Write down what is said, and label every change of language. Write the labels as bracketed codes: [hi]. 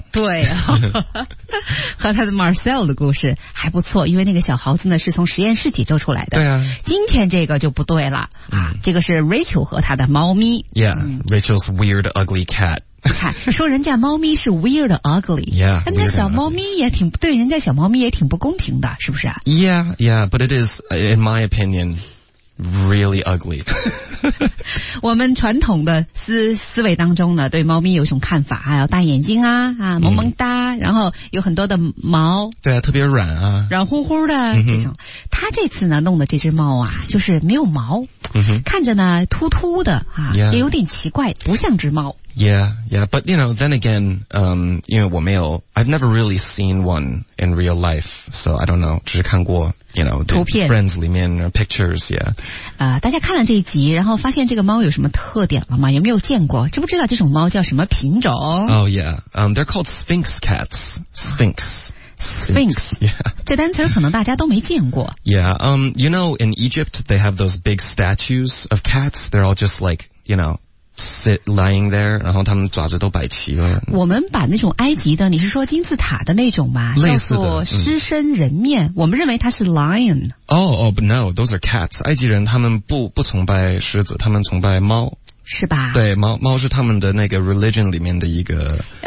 [zh] 对、和他的 Marcel 的故事还不错，因为那个小猴子呢是从实验室解救出来的。对啊，今天这个就不对了、这个是 Rachel 和他的猫咪。 [en] Rachel's weird ugly cat。 [zh] 看，说人家猫咪是 [en] weird ugly。 Yeah。 [zh] 那小猫咪也挺对人家小猫咪也挺不公平的，是不是、 [en] Yeah，but it is in my opinion really ugly 。 [zh] 我们传统的思维当中呢，对猫咪有一种看法，要大眼睛啊，萌萌哒。然后有很多的毛，对啊，特别软啊，软乎乎的这种。他这次呢弄的这只猫啊，就是没有毛，看着呢秃秃的啊， [en] yeah. [zh] 也有点奇怪，不像只猫。 [en] But you know, then again, [zh] 因为我没有 [en] ，I've never really seen one in real life, so I don't know. [zh] 只是看过 ， [en] you know, [zh] 图片 [en] ，Friends 里面 pictures, yeah. [zh] 大家看了这一集，然后发现这个猫有什么特点了吗？有没有见过？知不知道这种猫叫什么品种 [en] ？Oh yeah, they're called Sphinx cats. Sphinx. Sphinx, yeah. [zh] 这单词可能大家都没见过。 [en] You know, in Egypt, they have those big statues of cats. They're all just like, you know, sit lying there. [zh] 然后他们爪子都摆齐了。我们把那种埃及的，你是说金字塔的那种吗？类似的。叫做狮身人面。我们认为它是 lion. [en] But no, those are cats. [zh] 埃及人他们不崇拜狮子，他们崇拜猫。是吧？对，猫是他们的那个 religion 里面的一个